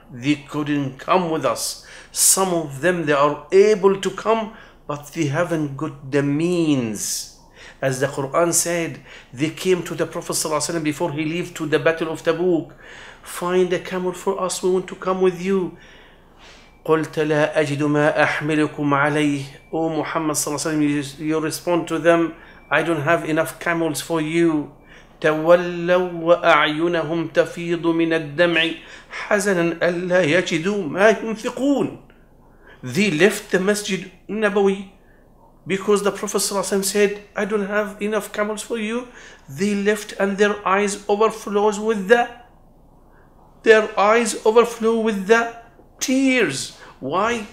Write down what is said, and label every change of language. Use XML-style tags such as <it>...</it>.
<en>They couldn't come with us. Some of them, they are able to come, but they haven't got the means. As the Quran said, they came to the Prophet ﷺ before he left to the battle of Tabuk. Find a camel for us, we want to come with you.</en> <ar>قلت لا أجد ما أحملكم عليه.</ar> <en>Oh Muhammad sallallahu alayhi wa sallam, you respond to them, I don't have enough camels for you.</en> <ar>تولوا وأعينهم تفيض من الدمع حزنا ألا يجدوا ما ينفقون.</ar> <en>They left the Masjid Nabawi because the Prophet sallallahu alayhi wa sallam said, I don't have enough camels for you. They left and their eyes overflows with the tears. Why?</en>